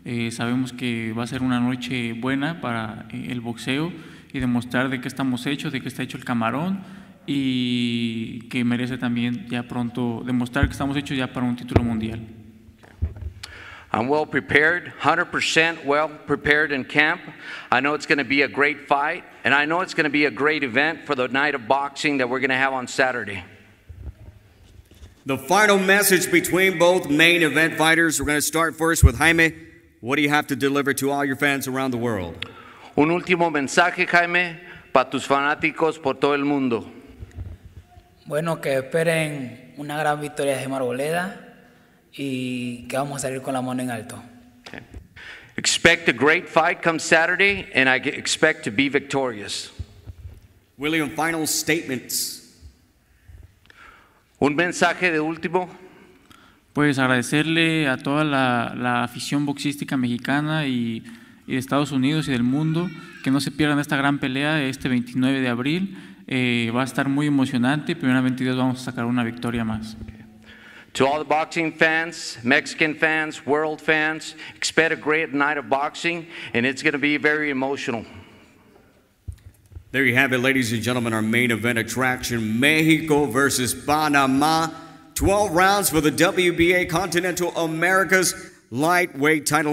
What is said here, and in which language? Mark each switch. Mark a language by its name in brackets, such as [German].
[Spanish] Sabemos que va a ser una noche buena para el boxeo y demostrar de qué estamos hechos, de qué está hecho el camarón y que merece también ya pronto demostrar que estamos hechos ya para un título mundial. [English] I'm well prepared, 100% well prepared in camp. I know it's going to be a great fight and I know it's going to be a great event for the night of boxing that we're going to have on Saturday. The final message between both main event fighters, we're going to start first with Jaime. What do you have to deliver to all your fans around the world? [Spanish] Un último mensaje, Jaime, para tus fanáticos por todo el mundo. Bueno, que esperen una gran victoria de Arboleda y que vamos a salir con la mano en alto. [English] Okay. Expect a great fight come Saturday, and I expect to be victorious. William, final statements. [Spanish] Un mensaje de último. Pues agradecerle a toda la afición boxística mexicana y de Estados Unidos y del mundo que no se pierdan esta gran pelea este 29 de abril. Va a estar muy emocionante. Primeramente Dios, vamos a sacar una victoria más. [English] To all the boxing fans, Mexican fans, world fans, expect a great night of boxing and it's going to be very emotional. There you have it, ladies and gentlemen, our main event attraction, Mexico versus Panama. 12 rounds for the WBA Continental America's lightweight title.